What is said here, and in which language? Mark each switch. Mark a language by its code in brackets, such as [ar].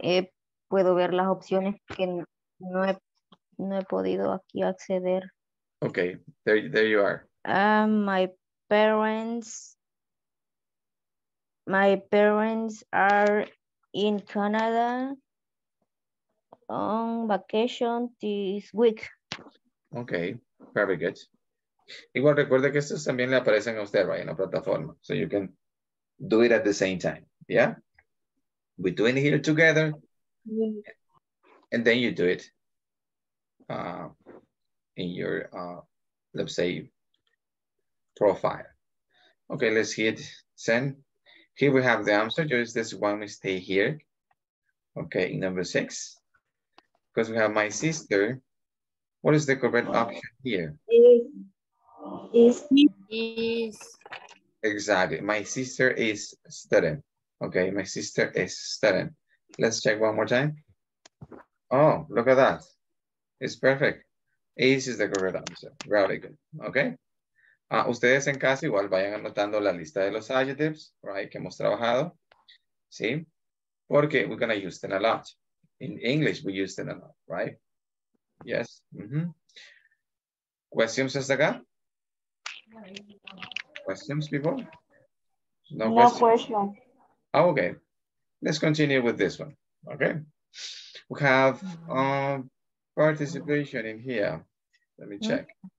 [es] Puedo ver las opciones que no he podido aquí acceder. [en] Okay, there you are. My parents are in Canada on vacation this week. Okay, very good. [es] Igual recuerde que estos también le aparecen a usted, right, en la plataforma. [en] So you can do it at the same time, yeah? We're doing it here together. Yeah. And then you do it in your, let's say, profile. Okay, let's hit send. Here we have the answer. Just this one mistake here. Okay, in number six. Because we have my sister. What is the correct option here? Is. Exactly. My sister is student. Okay. My sister is student. Let's check one more time. Oh, look at that. It's perfect. Ace is the correct answer. Really good. Okay. [es] Ustedes en casa igual vayan anotando la lista de los adjectives, right, que hemos trabajado, ¿sí? Porque [en] we're going to use them a lot. In English, we use them a lot, right? Yes. Mm-hmm. ¿Questions [es] hasta acá? [en] ¿Questions, people? No question. Oh, okay. Let's continue with this one, okay? We have participation in here. Let me check.